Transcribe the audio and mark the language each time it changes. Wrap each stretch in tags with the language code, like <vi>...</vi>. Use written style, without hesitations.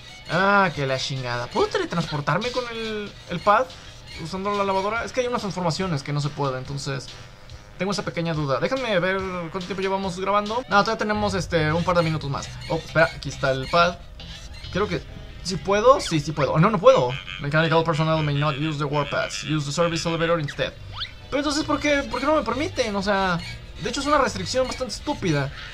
<es>Ah, qué la chingada. ¿Puedo teletransportarme con el pad usando la lavadora? Es que hay unas informaciones que no se puede, entonces tengo esa pequeña duda. Déjame ver cuánto tiempo llevamos grabando. No, todavía tenemos un par de minutos más. Oh, espera, aquí está el pad. Creo que... ¿Sí puedo? Sí, sí puedo. Oh, no, no puedo.</es> <en>Mechanical personnel may not use the warp pads. Use the service elevator instead.</en> <es>Pero entonces, ¿por qué no me permiten? O sea, de hecho es una restricción bastante estúpida.</es>